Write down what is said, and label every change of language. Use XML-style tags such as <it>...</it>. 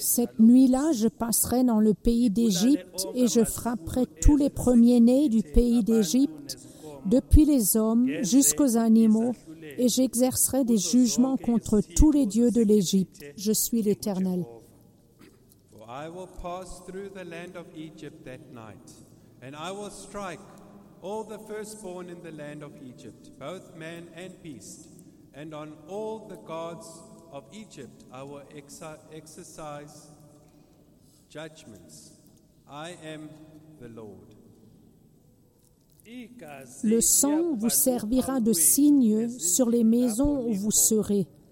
<fr>Cette nuit-là, je passerai dans le pays d'Égypte et je frapperai tous les premiers-nés du pays d'Égypte, depuis les hommes jusqu'aux animaux, et j'exercerai des jugements contre tous les dieux de l'Égypte. Je suis l'Éternel.</fr> <en>I will pass through the land of Egypt that night, and I will strike all the firstborn in the land of Egypt, both man and beast, and on all the gods of Egypt I will exercise judgments. I am the Lord.</en> <fr>Le sang vous servira de signe sur les maisons où vous serez.</fr>